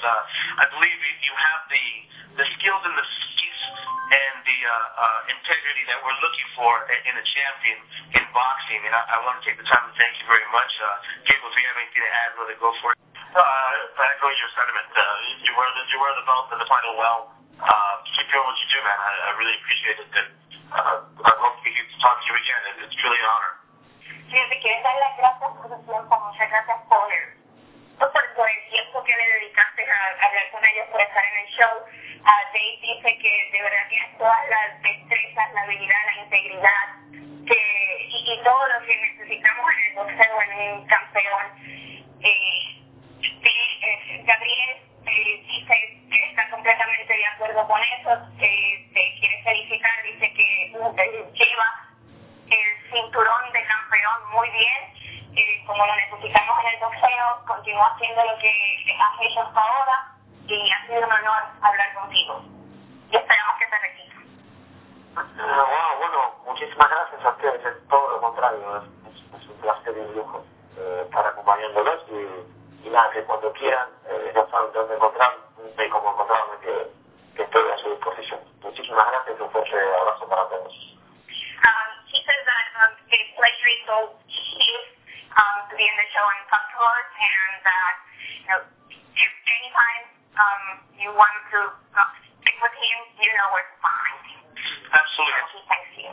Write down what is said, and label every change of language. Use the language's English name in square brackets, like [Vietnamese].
[English] I believe you have the skills and the skills and the integrity that we're looking for in a champion in boxing, and I want to take the time to thank you very much. Gable, if you have anything to add, really go for it. I echo your sentiment. You wear the belt in the final well. Keep doing what you do, man. I really appreciate it, and I hope to talk to you again. It's truly an honor. [Spanish] Fíjate que darle las gracias por su tiempo, muchas gracias por el tiempo que le dedicaste a hablar con ellos, por estar en el show. Dave dice que de verdad tienes todas las destrezas, la habilidad, la integridad y todo lo que necesitamos en el boxeo, en un campeón. Gabriel dice que está completamente de acuerdo con eso, que te quiere felicitar, dice que lleva el cinturón de campeón muy bien, como lo necesitamos en el boxeo, continúa haciendo lo que has hecho hasta ahora y ha sido un honor hablar contigo y esperamos que te repita. Bueno, muchísimas gracias a ustedes, es todo lo contrario, es un placer y un lujo estar acompañándolos y nada, que cuando quieran ya saben dónde encontrarme y cómo encontrarme que estoy a su disposición. Muchísimas gracias y un fuerte abrazo para todos. [English] He says that a pleasure is all his to be in the show and talk to us, and that if anytime you want to speak with him, you know where to find him. Absolutely. So he thanks you.